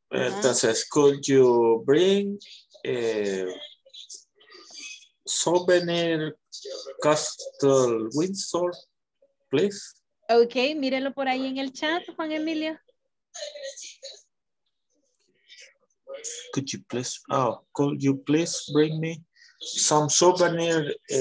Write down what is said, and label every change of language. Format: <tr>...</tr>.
<en>Entonces, could you bring souvenir Castle Windsor, please?</en> <es>Okay, mírelo por ahí en el chat, Juan Emilio.</es> <en>Could you please? Oh, could you please bring me some souvenir?</en>